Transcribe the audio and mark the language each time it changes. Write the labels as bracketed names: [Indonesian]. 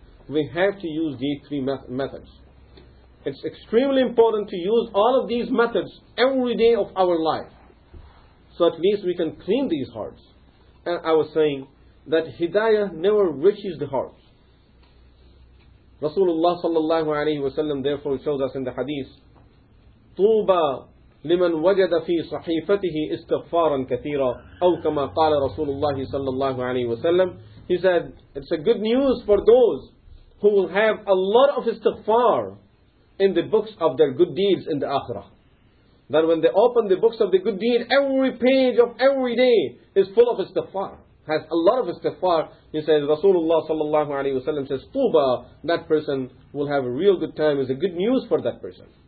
[English] We have to use these three methods. It's extremely important to use all of these methods every day of our life. So at least we can clean these hearts. And I was saying that hidayah never reaches the heart. [Arabic] Rasulullah sallallahu alayhi wa sallam [English] therefore shows us in the hadith, [Arabic] طُوبَى لِمَنْ وَجَدَ فِي صَحِيفَتِهِ إِسْتَغْفَارًا كَثِيرًا أَوْ كَمَا قَالَ رَسُولُ اللَّهِ صَلَّى اللَّهُ عَلَيْهِ وَسَلَّمْ. [English] He said, it's a good news for those who will have a lot of istighfar in the books of their good deeds in the Akhirah. That when they open the books of the good deed, every page of every day is full of istighfar. Has a lot of istighfar. He says, Rasulullah sallallahu alayhi wa sallam says, Tuba, that person will have a real good time. Is a good news for that person.